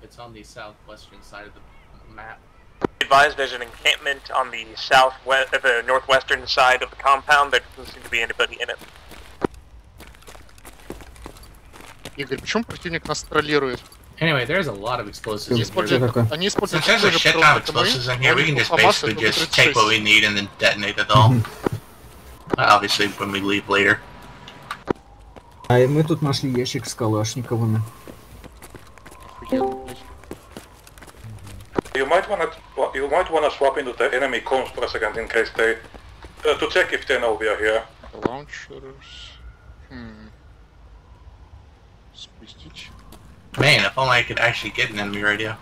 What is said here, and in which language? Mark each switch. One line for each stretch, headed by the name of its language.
English: It's on the southwestern side of the map. Advised there's an encampment on the southwest, the northwestern side of the compound. There doesn't seem to be anybody in it.
Russian: Игорь, почему противник нас троллирует?
English: Anyway, there's a lot of explosives.
Russian: Они используют, они используют.
English: There's a shit ton of explosives in here. We can just basically just take what we need and then detonate it all. Obviously, when we leave later.
Russian: А и мы тут нашли ящик с калашниковыми.
English: You might wanna swap into the enemy comms for a second in case they to check if they know we are here. Launchers. Man, if only I could actually get an enemy radio.